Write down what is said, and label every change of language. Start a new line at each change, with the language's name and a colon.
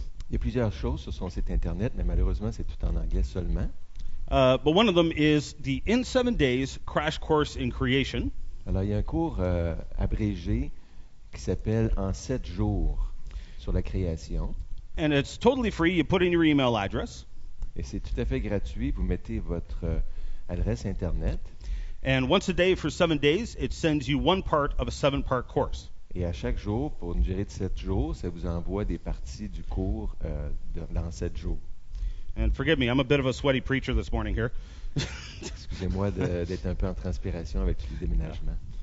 French: Il y a plusieurs choses sur son site internet, mais malheureusement, c'est tout en anglais seulement.
English: But one of them is the In 7 Days Crash Course in Creation.
French: Alors, il y a un cours abrégé qui s'appelle En 7 jours sur la création.
English: And it's totally free. You put in your email address.
French: Et c'est tout à fait gratuit. Vous mettez votre adresse internet.
English: And once a day for 7 days, it sends you one part of a 7-part course.
French: Et à chaque jour, pour une durée de 7 jours, ça vous envoie des parties du cours dans 7 jours.
English: And forgive me, I'm a bit of a sweaty preacher this morning here.
French: Excusez-moi d'être un peu en transpiration avec le déménagement.